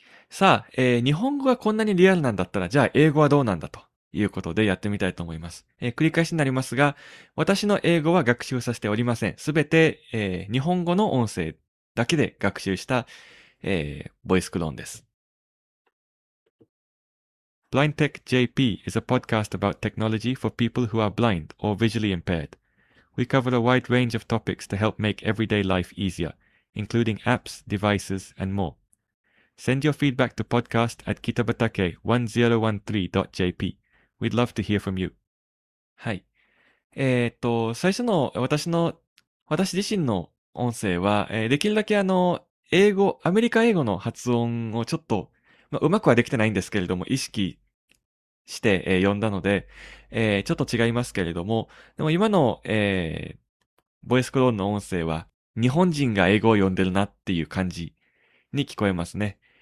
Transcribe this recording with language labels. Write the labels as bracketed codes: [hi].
[ja] さあ、日本語がこんなにリアルなんだったら、じゃあ英語はどうなんだということでやってみたいと思います。繰り返しになりますが、私の英語は学習させておりません。すべて、日本語の音声だけで学習した、ボイスクローンです。 [en] Blind Tech JP is a podcast about technology for people who are blind or visually impaired. We cover a wide range of topics to help make everyday life easier, including apps, devices, and more. Send your feedback to podcast at kitabatake1013.jp. We'd love to hear from you. [ja] はい。最初の私自身の音声は、できるだけ英語、アメリカ英語の発音をちょっと、まあ、うまくはできてないんですけれども、意識して、読んだので、ちょっと違いますけれども、でも今の、ボイスクローンの音声は、日本人が英語を読んでるなっていう感じに聞こえますね。